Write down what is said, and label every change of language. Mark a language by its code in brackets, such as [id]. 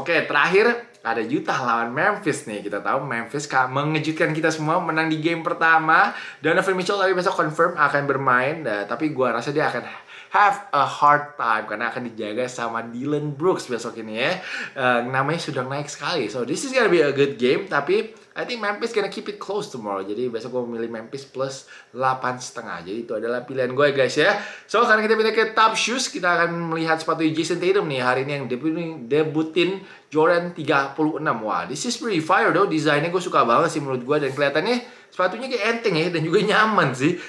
[id] Oke, terakhir ada Utah lawan Memphis nih. Kita tahu Memphis mengejutkan kita semua, menang di game pertama. Donovan Mitchell tapi besok confirm akan bermain. Tapi gue rasa dia akan [en] have a hard time, [id] karena akan dijaga sama Dylan Brooks besok ini ya. Namanya sudah naik sekali. [en] So this is gonna be a good game. [id] Tapi [en] I think Memphis gonna keep it close tomorrow. [id] Jadi besok gue memilih Memphis plus 8.5. Jadi itu adalah pilihan gue guys ya. So karena kita pindah ke top shoes, kita akan melihat sepatu Jason Tatum nih hari ini yang debutin Jordan 36. Wah, [en] this is pretty fire though. [id] Desainnya gue suka banget sih menurut gue. Dan kelihatannya sepatunya kayak enteng ya, dan juga nyaman sih.